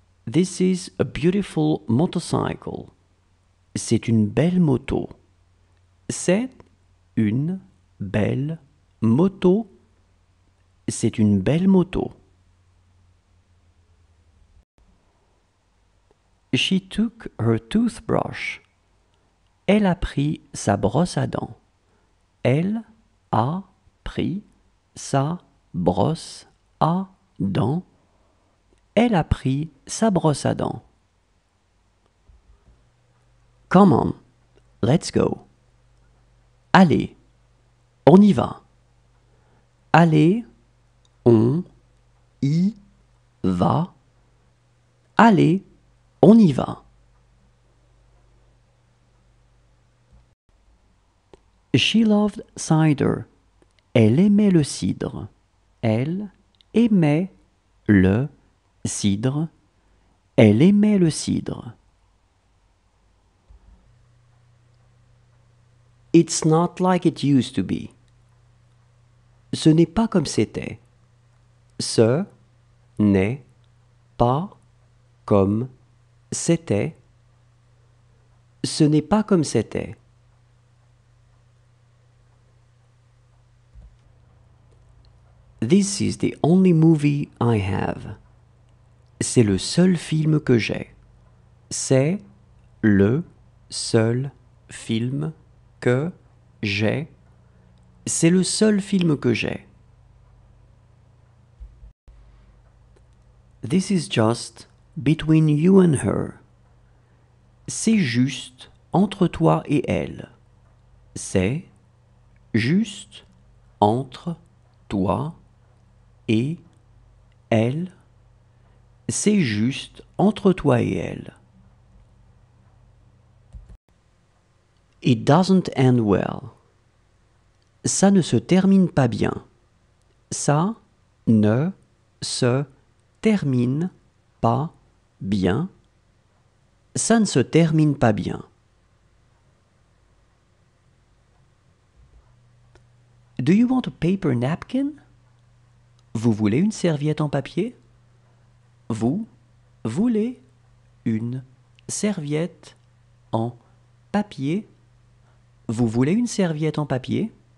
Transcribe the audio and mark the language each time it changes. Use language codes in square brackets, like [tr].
[en] This is a beautiful motorcycle. [fr] C'est une belle moto. C'est une belle moto. C'est une belle moto. [en] She took her toothbrush. [fr] Elle a pris sa brosse à dents. Elle a pris sa brosse à dents. Elle a pris sa brosse à dents. [en] Come on, let's go. [fr] Allez, on y va. Allez, on y va. Allez, on y va. [en] She loved cider. [fr] Elle aimait le cidre. Elle aimait le cidre. Elle aimait le cidre. [en] It's not like it used to be. [fr] Ce n'est pas comme c'était. Ce n'est pas comme c'était. Ce n'est pas comme c'était. [en] This is the only movie I have. [fr] C'est le seul film que j'ai. C'est le seul film que j'ai. C'est le seul film que j'ai. [en] This is just between you and her. [fr] C'est juste entre toi et elle. C'est juste entre toi et elle. C'est juste entre toi et elle. [en] It doesn't end well. [fr] Ça ne se termine pas bien. Ça ne se termine pas bien. Ça ne se termine pas bien. [en] Do you want a paper napkin? [fr] Vous voulez une serviette en papier? Vous voulez une serviette en papier? Vous voulez une serviette en papier?